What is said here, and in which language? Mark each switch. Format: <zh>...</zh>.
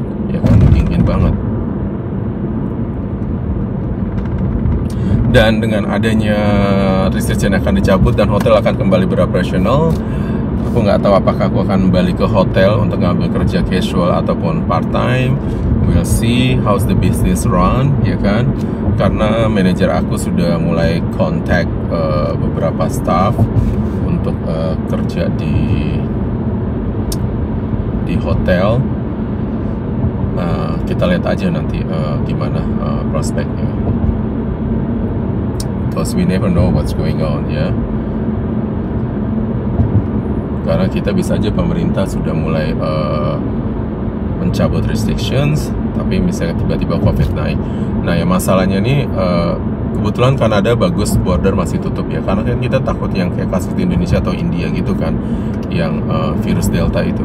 <id>Ya kan, dingin banget. Dan dengan adanya restriction yang akan dicabut dan hotel akan kembali beroperasional, aku nggak tahu apakah aku akan kembali ke hotel untuk ngambil kerja casual ataupun part time.</id> <en>We'll see how's the business run,</en> <id>ya kan? Karena manajer aku sudah mulai kontak beberapa staff untuk kerja di hotel. Kita lihat aja nanti gimana prospeknya.</id> <en>Because we never know what's going on, ya.</en> <id>Karena kita bisa aja pemerintah sudah mulai mencabut restrictions, tapi misalnya tiba-tiba COVID naik. Nah, ya masalahnya ini kebetulan Kanada bagus, border masih tutup ya. Karena kan kita takut yang kayak kasus di Indonesia atau India gitu kan, yang virus Delta itu.</id>